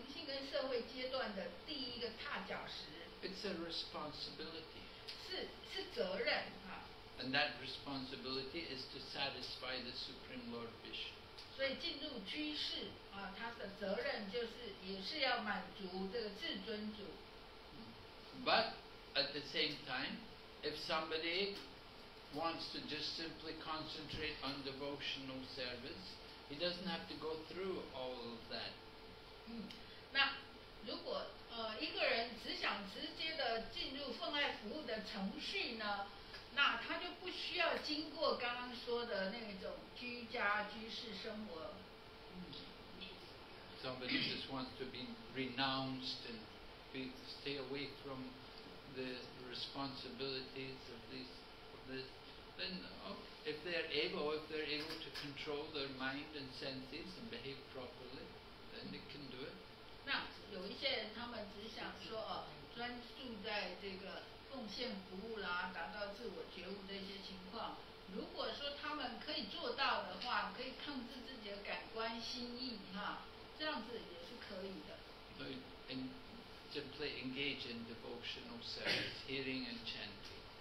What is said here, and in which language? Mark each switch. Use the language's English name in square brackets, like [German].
[Chinese] 所以进入家庭生活是在Varnashram灵性跟社会阶段的第一个踏脚石。 [English] It's a responsibility. [Chinese] 是责任。 [English] And that responsibility is to satisfy the Supreme Lord Vishnu. [Chinese] 所以进入居士, 啊, 他的责任就是, 也是要满足这个至尊主。 [English] But at the same time, if somebody wants to just simply concentrate on devotional service, he doesn't have to go through all of that. [Chinese] 那如果, 一个人只想直接的进入奉爱服务的程序呢, 那他就不需要经过刚刚说的那种居家居士生活。 [English] Somebody just wants to be renounced and be, stay away from the responsibilities of these, of this, then if they're able to control their mind and senses and behave properly, then they can do it. [Chinese] 那有一些人他们只想说专注在这个 奉献服务啦，达到自我觉悟这些情况，如果说他们可以做到的话，可以控制自己的感官心意哈，这样子也是可以的。 [English] So in, simply engage in devotional service, hearing and chanting.